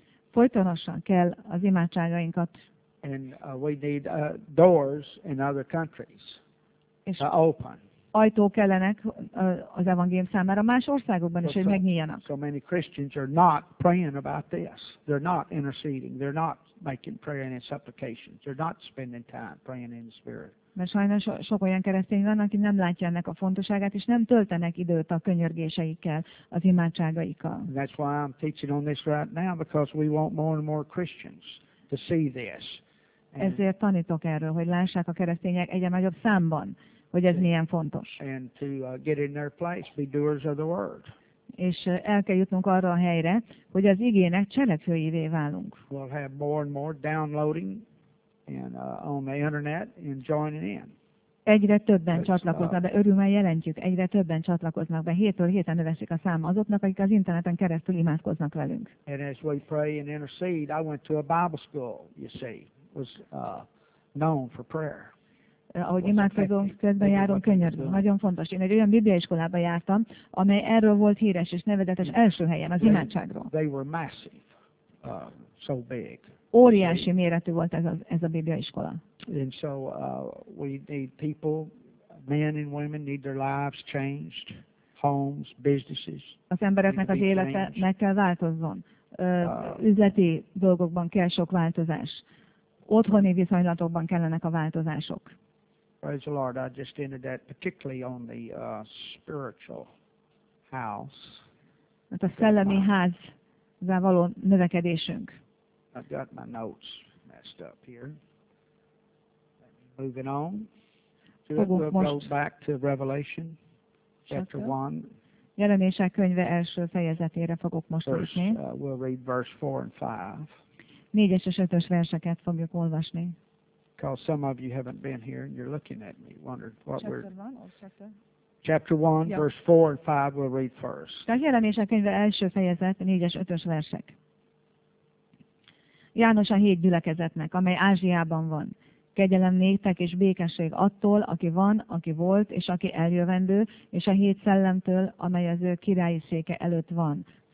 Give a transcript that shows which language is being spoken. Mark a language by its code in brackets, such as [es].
[hu] Folytonosan kell az imádságainkat. [en] And we need doors in other countries to open. [hu] Ajtók kellenek az evangélium számára más országokban is, hogy megnyíljanak. [en] So many Christians are not praying about this. They're not interceding. They're not making prayer and supplications. They're not spending time praying in the Spirit. [hu] Mert sajnos sok olyan keresztény van, aki nem látja ennek a fontosságát, és nem töltenek időt a könyörgéseikkel, az imádságaikkal. [en] That's why I'm teaching on this right now, because we want more and more Christians to see this. [hu] Ezért tanítok erről, hogy lássák a keresztények egyre nagyobb számban, hogy ez milyen fontos. [en] And to get in their place, be doers of the word. [hu] És el kell jutnunk arra a helyre, hogy az igének cselekvőivé válunk. [en] We'll have more and more downloading and on the internet and joining in. [hu] Egyre többen csatlakoznak be, örülmel jelentjük, egyre többen csatlakoznak be, hétről héten növekszik a száma azoknak, akik az interneten keresztül imádkoznak velünk. [en] And as we pray and intercede, I went to a Bible school, you see, was known for prayer. [hu] Ahogy imádkozunk, közben járunk, könyörgünk. Nagyon fontos. Én egy olyan bibliaiskolába jártam, amely erről volt híres és nevezetes első helyen, az imádságról. [en] They were massive, so big. [hu] Óriási méretű volt ez a bibliaiskola. [en] And so we need people, men and women need their lives changed, homes, businesses. [hu] Az embereknek az élete meg kell változzon. Üzleti dolgokban kell sok változás. Otthoni viszonylatokban kellenek a változások. [en] Praise the Lord, I just ended that particularly on the spiritual house. [hu] Mert a szellemi házzal való növekedésünk. [en] I've got my notes messed up here. Moving on. So we'll go back to Revelation chapter 1. [hu] Jelenések könyve első fejezetére fogok most lépni. [en] We'll read verse 4 and 5. [hu] 4-es és 5-ös verseket fogjuk olvasni. [en] Because some of you haven't been here and you're looking at me wondering what chapter we're... Chapter 1, verse 4 and 5 we'll read first. [hu] Tehát jelenések könyve első fejezet, 4-es, 5-ös versek. János a 7 gyülekezetnek, amely Ázsiában van. Kegyelem néktek és békesség attól, aki van, aki volt és aki eljövendő, és a 7 szellemtől, amely az ő királyi széke előtt van.